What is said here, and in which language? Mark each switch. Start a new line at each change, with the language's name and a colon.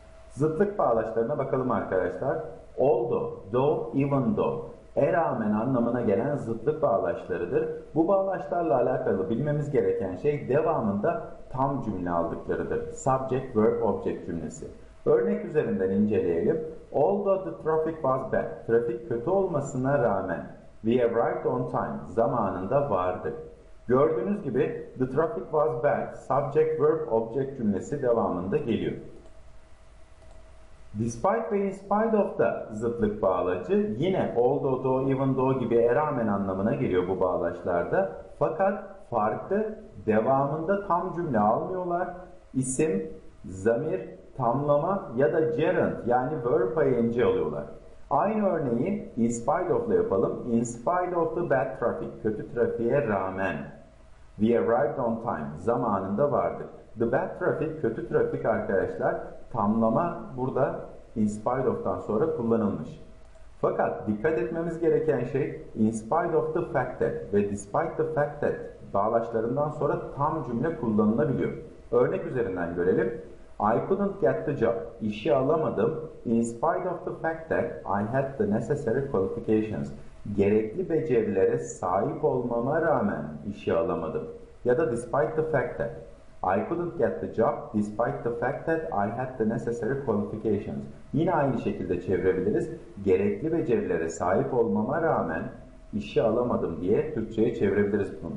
Turkish: Zıtlık bağlaçlarına bakalım arkadaşlar.
English: Although, though, even though.
Turkish: Rağmen anlamına gelen zıtlık bağlaçlarıdır. Bu bağlaçlarla alakalı bilmemiz gereken şey devamında tam cümle aldıklarıdır. Subject, verb, object cümlesi. Örnek üzerinden inceleyelim.
English: Although the traffic was bad.
Turkish: Trafik kötü olmasına rağmen.
English: We arrived on time.
Turkish: Zamanında vardık. Gördüğünüz gibi
English: the traffic was bad.
Turkish: Subject, verb, object cümlesi devamında geliyor. Despite ve in spite of da zıtlık bağlacı yine
English: although, though, even though
Turkish: gibi rağmen anlamına geliyor bu bağlaçlarda. Fakat farklı devamında tam cümle almıyorlar. İsim, zamir, tamlama ya da gerund yani verb ing alıyorlar. Aynı örneği
English: in spite of'la
Turkish: yapalım.
English: In spite of the bad traffic,
Turkish: kötü trafiğe rağmen.
English: We arrived on time,
Turkish: zamanında vardık.
English: The bad traffic,
Turkish: kötü trafik arkadaşlar, tamlama burada
English: in spite of'tan
Turkish: sonra kullanılmış. Fakat dikkat etmemiz gereken şey
English: in spite of the fact that
Turkish: ve
English: despite the fact that
Turkish: bağlaçlarından sonra tam cümle kullanılabiliyor. Örnek üzerinden görelim.
English: I couldn't get the job.
Turkish: İşi alamadım.
English: In spite of the fact that I had the necessary qualifications.
Turkish: Gerekli becerilere sahip olmama rağmen işi alamadım. Ya da
English: despite the fact that I couldn't get the job despite the fact that I had the necessary qualifications.
Turkish: Yine aynı şekilde çevirebiliriz. Gerekli becerilere sahip olmama rağmen işi alamadım diye Türkçe'ye çevirebiliriz bunu da.